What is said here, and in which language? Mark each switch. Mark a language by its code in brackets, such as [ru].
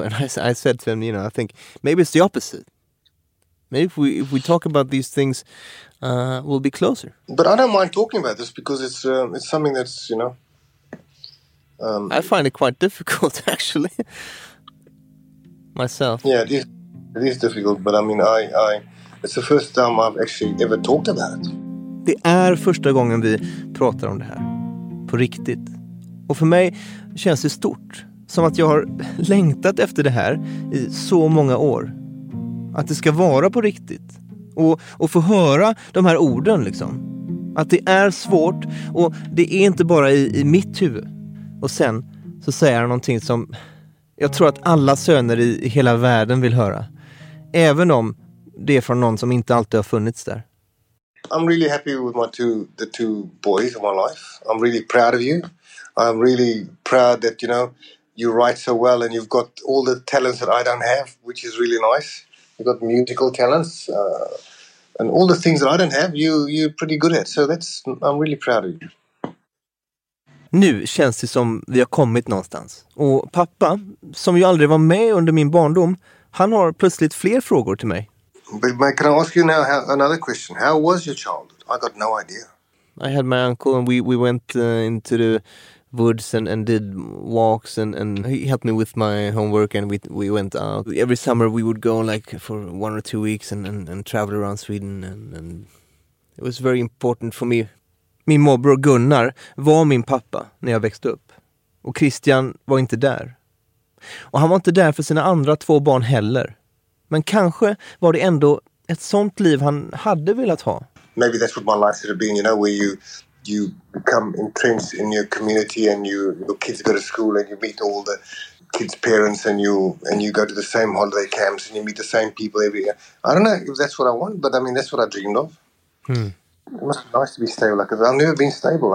[en] And I said to him, you know, I think maybe it's the opposite. Maybe if we talk about these things, we'll be closer. But I don't mind talking about this because it's something that's, you know... I find it quite difficult, actually. Myself. Yeah, it is difficult, but I mean, I it's the first time I've actually ever talked about it. [sv] Det är första gången vi pratar om det här. På riktigt. Och för mig känns det stort. Som att jag har längtat efter det här i så många år. Att det ska vara på riktigt. Och få höra de här orden liksom. Att det är svårt och det är inte bara i mitt huvud. Och sen så säger han någonting som jag tror att alla söner i hela världen vill höra. Även om det är från någon som inte alltid har funnits där. [en] I'm really happy with my two boys in my life. I'm really proud of you. I'm really proud that, you know, you write so well and you've got all the talents that I don't have, which is really nice. You've got musical talents and all the things that I don't have, you're pretty good at. So that's, I'm really proud of you. [sv] Nu känns det som vi har kommit någonstans. Och pappa, som ju aldrig var med under min barndom, han har plötsligt fler frågor till mig. [en] But can I ask you now another question? How was your childhood? I got no idea. I had my uncle and we went into the woods and did walks and he helped me with my homework and we went out. Every summer we would go like for 1 or 2 weeks and travel around Sweden and it was very important for me. [sv] Min morbror Gunnar var min pappa när jag växte upp. Och Christian var inte där. Och han var inte där för sina andra två barn heller. Men kanske var det ändå ett sånt liv han hade velat ha. [en] Maybe that's what my life should have been, you know, where you become entrenched in your community and your kids go to school and you meet all the kids' parents and you go to the same holiday camps and you meet the same people every year. I don't know if that's what I want, but I mean that's what I dreamed of. It must be nice to be stable, because I've never been stable.